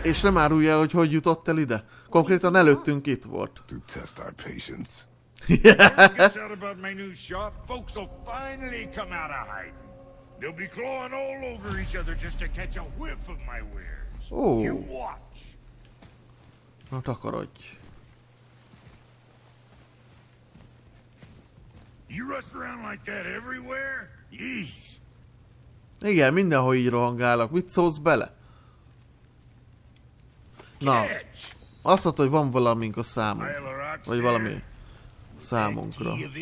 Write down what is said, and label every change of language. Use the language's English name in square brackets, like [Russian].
[Hungarian] És nem árulj el, hogy jutott el ide. Konkrétan előttünk itt volt. [English] To test our patience. Yeah. Get out about my new shop, folks will finally come out of hiding. They'll be clawing all over each other just to catch a whiff of my wares. Oh. You watch. [Hungarian] Na takarodj. [English] You rust around like that everywhere? Yeesh. [Hungarian] Igen, mindenhol így rohangálok. Mit szólsz bele? Na, azt mondta, hogy van valamink a számunk, vagy valami számunkra.